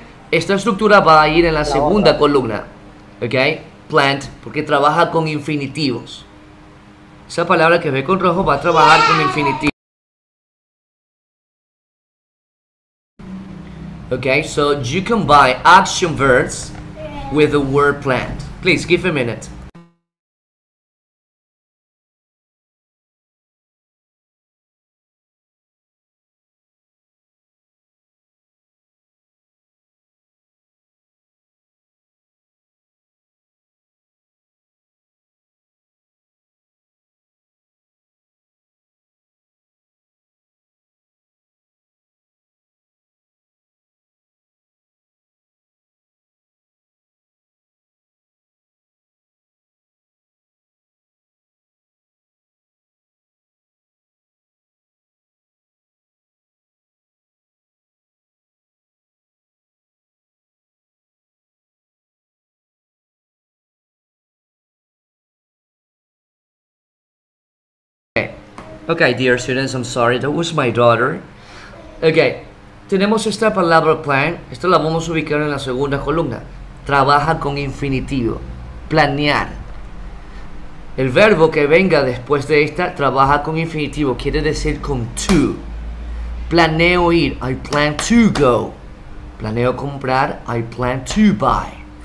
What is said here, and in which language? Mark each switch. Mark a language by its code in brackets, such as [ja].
[es] Esta estructura va a ir en la segunda columna, ¿ok? Plant, porque trabaja con infinitivos. Esa palabra que ve con rojo va a trabajar con infinitivos. ¿Ok? [en] So you combine action verbs with the word plant. Please, give a minute. Okay, dear students, I'm sorry, that was my daughter. [es] Okay, tenemos esta palabra plan, esto la vamos a ubicar en la segunda columna. Trabaja con infinitivo, planear. El verbo que venga después de esta, trabaja con infinitivo, quiere decir con to. Planeo ir, [en] I plan to go. [es] Planeo comprar, [en] I plan to buy.